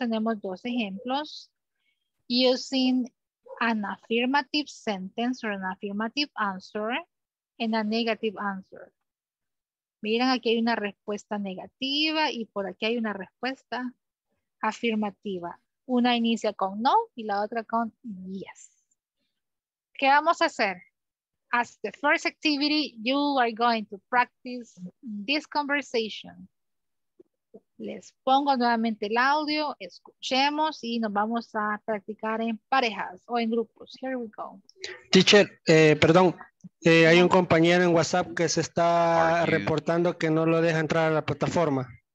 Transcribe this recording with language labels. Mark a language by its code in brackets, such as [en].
[es] Tenemos dos ejemplos [en] using an affirmative sentence or an affirmative answer and a negative answer. [es] Miren, aquí hay una respuesta negativa y por aquí hay una respuesta afirmativa. Una inicia con no y la otra con yes. ¿Qué vamos a hacer? [en] As the first activity, you are going to practice this conversation. [es] Les pongo nuevamente el audio, escuchemos y nos vamos a practicar en parejas o en grupos. [en] Here we go. [es] Teacher, perdón, hay un compañero en WhatsApp que se está reportando que no lo deja entrar a la plataforma.